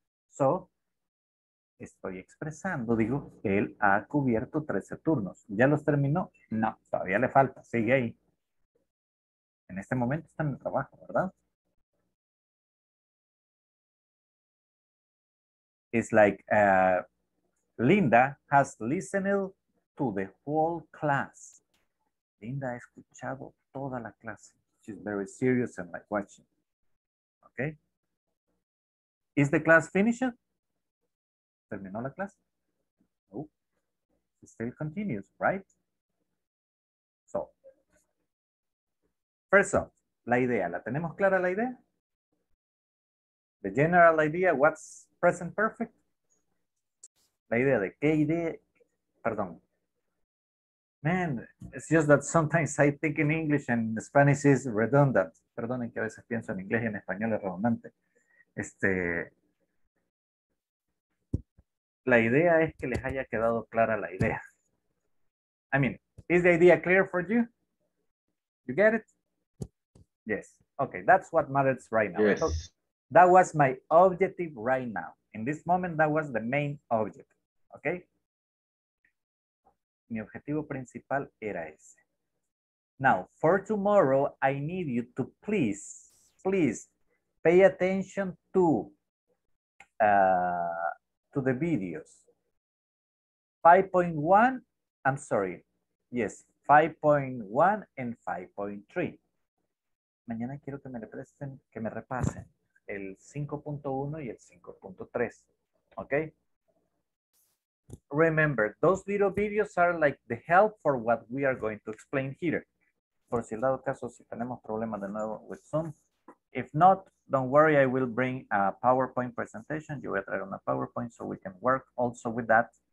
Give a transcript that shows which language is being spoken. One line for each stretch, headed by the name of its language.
Spanish: So, estoy expresando, digo, él ha cubierto 13 turnos. ¿Ya los terminó? No, todavía le falta. Sigue ahí. En este momento está en el trabajo, ¿verdad?
English: It's like Linda has listened to the whole class.
Spanish: Linda ha escuchado toda la clase.
English: She's very serious and like watching. Okay. Is the class finished?
Spanish: ¿Terminó la clase?
English: No. It still continues, right? So, first off, la idea.
Spanish: ¿La tenemos clara la idea?
English: The general idea, what's present perfect?
Spanish: La idea de qué idea, perdón.
English: Man, it's just that sometimes I think in English and Spanish is redundant.
Spanish: Perdonen que a veces pienso en inglés y en español es redundante. La idea es que les haya quedado clara la idea.
English: I mean, is the idea clear for you? You get it? Yes. Okay, that's what matters right now. Yes. That was my objective right now. In this moment, that was the main object. Okay?
Spanish: Mi objetivo principal era ese.
English: Now, for tomorrow, I need you to please pay attention to the videos. 5.1, I'm sorry. Yes, 5.1 and 5.3.
Spanish: Mañana quiero que me le presten, que me repasen el 5.1 y el 5.3.
English: Okay? Remember, those little videos are like the help for what we are going to explain here.
Spanish: Por si el dado caso, si tenemos problemas de nuevo
English: with Zoom. If not, don't worry, I will bring a PowerPoint presentation.
Spanish: Yo voy a traer una PowerPoint
English: so we can work also with that.